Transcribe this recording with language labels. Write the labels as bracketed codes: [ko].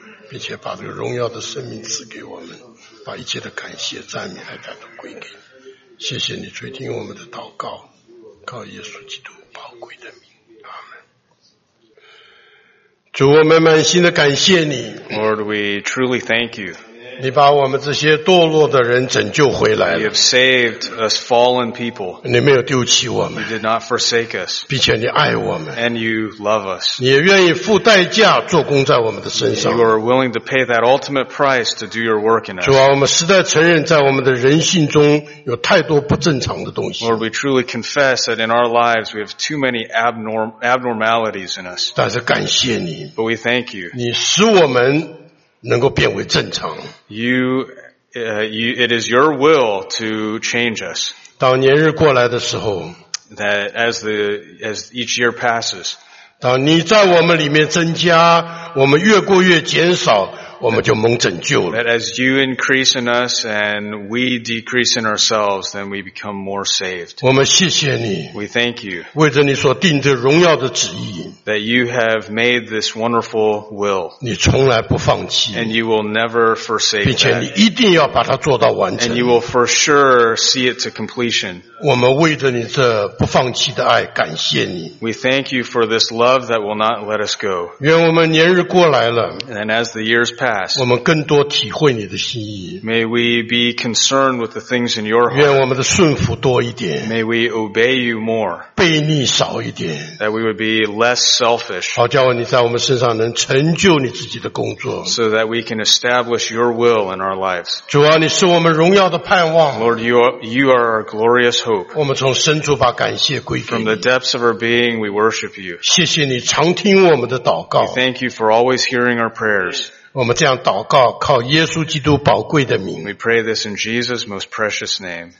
[zh] 并且把这个荣耀的生命赐给我们，把一切的感谢赞美来感动归给你。谢谢你垂听我们的祷告，靠耶稣基督宝贵的名，阿们。主，我们满心的感谢你。 [en] Lord, we truly thank you. [zh] 你把我们这些堕落的人拯救回来了。 [en] You have saved us fallen people. [zh] 你没有丢弃我们。 [en] You did not forsake us. [zh] 并且你爱我们。 [en] And you love us. [zh] 你也愿意付代价做工在我们的身上。 [en] You are willing to pay that ultimate price to do your work in us. [zh] 主啊，我们实在承认在我们的人性中有太多不正常的东西。 [en] Lord, we truly confess that in our lives we have too many abnormalities in us. [zh] 但是感谢你。 [en] But we thank you. [zh] 你使我们能够变为正常。 [en] It is your will to change us. [zh] 当年日过来的时候， [en] that as each year passes, [zh] 当你在我们里面增加，我们越过越减少，我们就蒙拯救了。 [en] That as you increase in us and we decrease in ourselves, then we become more saved. [zh] 我们谢谢你。 [en] We thank you. [zh] 为着你所定的荣耀的旨意。 [en] That you have made this wonderful will. [zh] 你从来不放弃。 [en] And you will never forsake that. [zh] 并且你一定要把它做到完成。 [en] And you will for sure see it to completion. [zh] 我们为着你这不放弃的爱感谢你。 [en] We thank you for this love that will not let us go. [zh] 愿我们年日过来了。 [en] And as the years pass, [zh] 我们更多体会你的心意。 [en] May we be concerned with the things in your heart. [zh] 愿我们的顺服多一点。 [en] May we obey you more. [zh] 悖逆少一点。 [en] That we would be less selfish. [zh] 好叫你在我们身上能成就你自己的工作。 [en] So that we can establish your will in our lives. [zh] 主啊，你是我们荣耀的盼望。 [en] Lord, you are our glorious hope. Hope. [zh] 我们从深处把感谢归给你。 [en] From the depths of our being, we worship you. [zh] 谢谢你常听我们的祷告。 [en] We thank you for always hearing our prayers. [zh] 我们这样祷告，靠耶稣基督宝贵的名。 [en] We pray this in Jesus' most precious name.